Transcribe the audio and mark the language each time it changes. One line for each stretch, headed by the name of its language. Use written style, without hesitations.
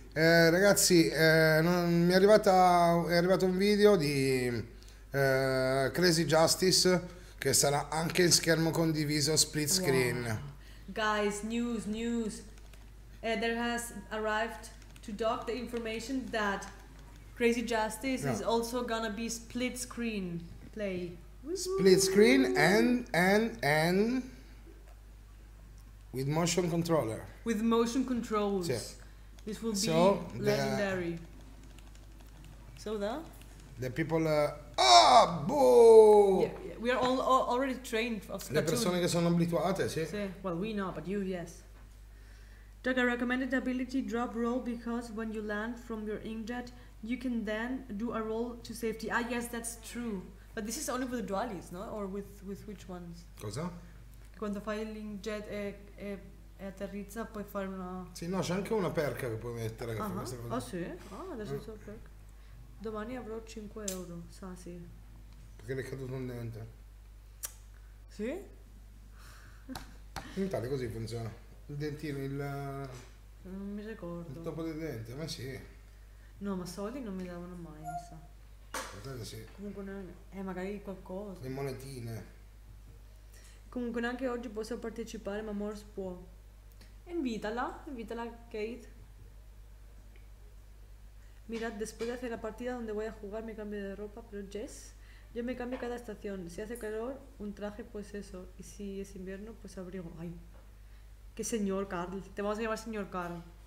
Italian: Ragazzi, non, mi è arrivata, è arrivato un video di Crazy Justice che sarà anche in schermo condiviso split screen.
English: Wow. Guys, news, news. There has arrived to Doc the information that Crazy Justice is also gonna be split screen play. Woo-hoo. Split screen and with motion controller. With motion controls.
Italian: Sì.
English: This will be so legendary. So that? The people boo! Yeah, we are all already trained of Splatoon.
Italian: Le persone che sono abituate, sì. Sì.
English: Well, we know, but you, yes. Doug, I recommended ability drop roll because when you land from your inkjet, you can then do a roll to safety. Ah, yes, that's true. But this is only for the dualies, no? Or with which ones?
Italian: Cosa? Quando fai l'inkjet e atterrizza, puoi fare una... Sì, no, c'è anche una perca che puoi mettere. Che uh-huh. Fa questa cosa. Ah, sì? Ah, adesso c'è la perca. Domani avrò 5 euro, sa, sì. Perché le è caduto un dente. Sì? In Italia così funziona. Il dentino, il... Non mi ricordo. Il topo dei denti, ma sì. No, ma soldi non mi davano mai, non so. Guardate, sì. Comunque neanche... magari qualcosa. Le monetine. Comunque neanche oggi posso partecipare, ma Morse può. Invitala, invitala, Kate.
Spanish: Mirad, después de hacer la partida donde voy a jugar me cambio de ropa, pero Jess, yo me cambio cada estación. Si hace calor, un traje, pues eso. Y si es invierno, pues abrigo. Ay. Que señor Carl, te vamos a llamar señor Carl.